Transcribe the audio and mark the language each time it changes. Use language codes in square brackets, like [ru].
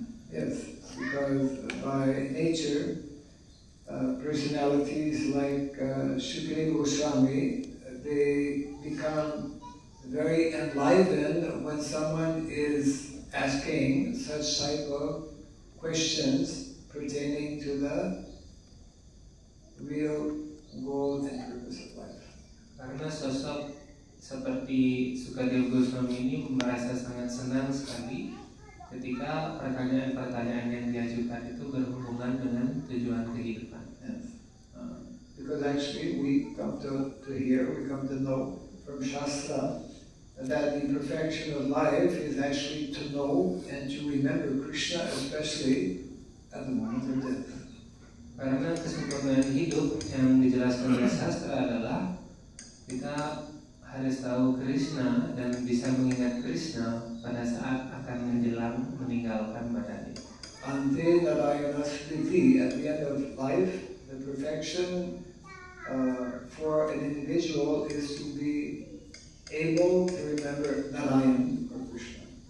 [en] Yes, because by nature personalities like Shukadeva Goswami, they become very enlivened when someone is asking such type of questions pertaining to the real goal and purpose of life. [id] Karena sosok seperti Shukadeva Goswami ini merasa sangat senang sekali ketika pertanyaan-pertanyaan yang diajukan itu berhubungan dengan tujuan kehidupan. [en] Because actually we come to hear, we come to know from Shastra that the perfection of life is actually to know and to remember Krishna, especially at the moment of death. [id] Karena kesempurnaan hidup yang dijelaskan oleh Shastra adalah kita harus tahu Krishna dan bisa mengingat Krishna pada saat akan menjelang meninggalkan badan ini. [sa] Ante Narayana Smriti, [en] at the end of life, the perfection for an individual is to be able to remember Narayana or Krishna.